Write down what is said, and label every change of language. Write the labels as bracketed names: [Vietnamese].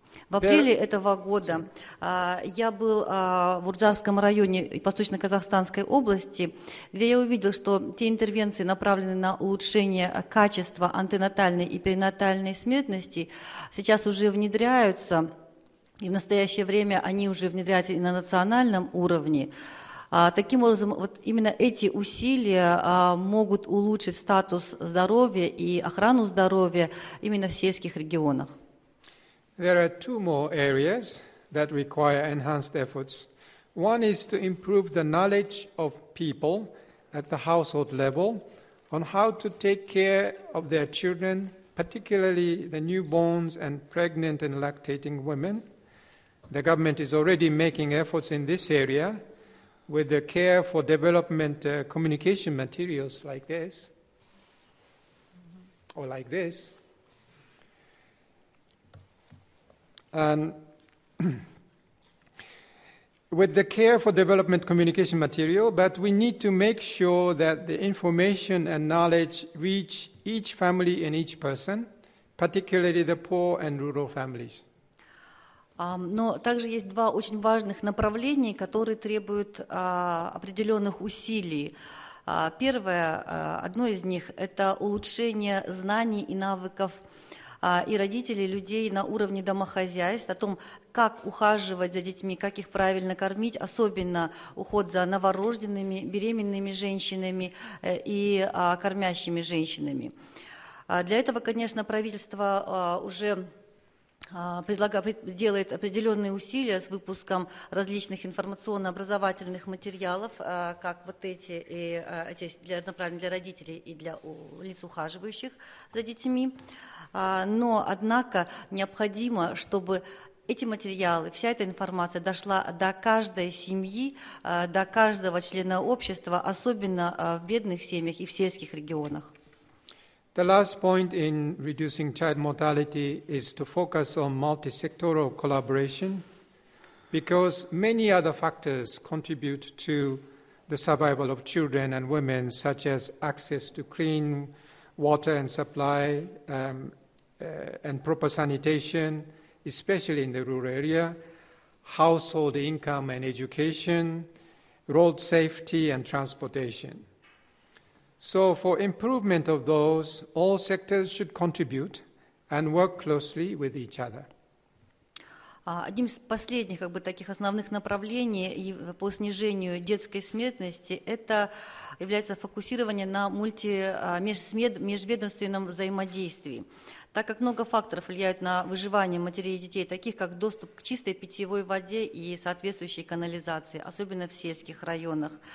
[Russian] В апреле этого года я был в Урджарском районе Восточно-Казахстанской области, где я увидел, что те интервенции, направленные на улучшение качества антенатальной и перинатальной смертности, сейчас уже внедряются, и в настоящее время они уже внедряются и на национальном уровне. Таким образом, вот именно эти усилия могут улучшить статус здоровья и охрану здоровья именно в сельских регионах. [English] There are 2 more areas that require enhanced efforts. One is to improve the knowledge of people at the household level on how to take care of their children, particularly the newborns and pregnant and lactating women. The government is already making efforts in this area with the Care for Development communication materials like this, or like this. And with the Care for Development communication material, but we need to make sure that the information and knowledge reach each family and each person, particularly the poor and rural families. [Russian] Но также есть 2 очень важных направления, которые требуют определенных усилий. Первое, одно из них, это улучшение знаний и навыков и родителей, людей на уровне домохозяйств, о том, как ухаживать за детьми, как их правильно кормить, особенно уход за новорожденными, беременными женщинами и кормящими женщинами. Для этого, конечно, правительство уже делает определенные усилия с выпуском различных информационно-образовательных материалов, как вот эти, и эти для, направлены для родителей и для лиц, ухаживающих за детьми. Но, однако, необходимо, чтобы эти материалы, вся эта информация дошла до каждой семьи, до каждого члена общества, особенно в бедных семьях и в сельских регионах. [English] The last point in reducing child mortality is to focus on multi-sectoral collaboration, because many other factors contribute to the survival of children and women, such as access to clean water and supply, and proper sanitation, especially in the rural area, household income and education, road safety and transportation. So for improvement of those, all sectors should contribute and work closely with each other. [Russian] Одним из последних, как бы, таких основных направлений по снижению детской смертности это является фокусирование на межведомственном взаимодействии. Так как много факторов влияют на выживание матерей и детей, таких как доступ к чистой питьевой воде и соответствующей канализации, особенно в сельских районах.